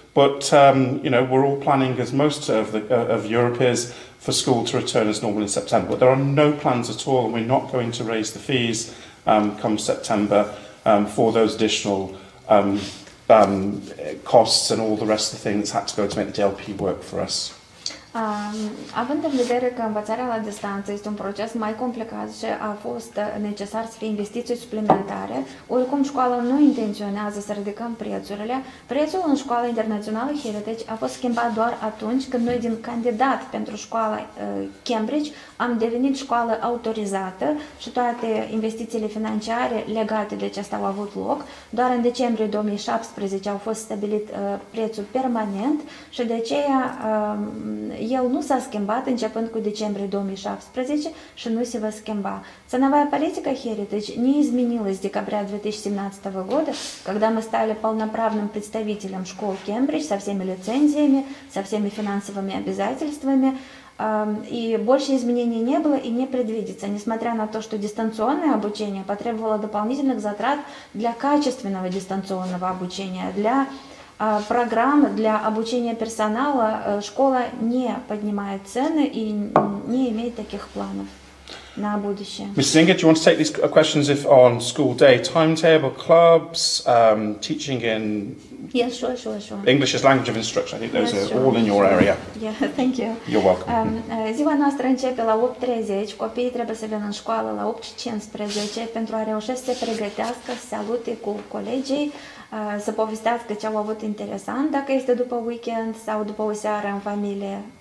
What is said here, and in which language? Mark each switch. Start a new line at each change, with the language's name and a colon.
English: But you know, we're all planning, as most of Europe is, for school to return as normal in September. But there are no plans at all, and we're not going to raise the fees come September for those additional costs and all the rest of the things that had to go to make the DLP work for us.
Romanian: Având în vedere că învățarea la distanță este un proces mai complicat și a fost necesar să fie investiții suplimentare, oricum școala nu intenționează să ridicăm prețurile. Prețul în școala internațională Heritage a fost schimbat doar atunci când noi din candidat pentru școala Cambridge am devenit școală autorizată și toate investițiile financiare legate de acestea au avut loc. Doar în decembrie 2017 au fost stabilit prețul permanent și de aceea el nu s-a schimbat începând cu decembrie 2017 și nu se va schimba.
Russian: Ценовая политика Heritage не изменилась с декабря 2017 года, когда мы стали полноправным представителем школ Кембридж со всеми лицензиями, со всеми финансовыми обязательствами. И больше изменений не было и не предвидится, несмотря на то, что дистанционное обучение потребовало дополнительных затрат для качественного дистанционного обучения, для программы для обучения персонала, школа не поднимает цены и не имеет таких планов.
English: Ms. Singer, do you want to take these questions if on school day timetable, clubs, teaching in Yes, sure. English as language of instruction? I think those are all in your area. Yeah, thank you. You're welcome.
Romanian: Ziua noastră începe la 8:30. Copiii trebuie să vină în școală la 8:15 pentru a reuși să se pregătească, să se alute cu colegii, să povestească ce au avut interesant, dacă este după weekend sau după o seară în familie.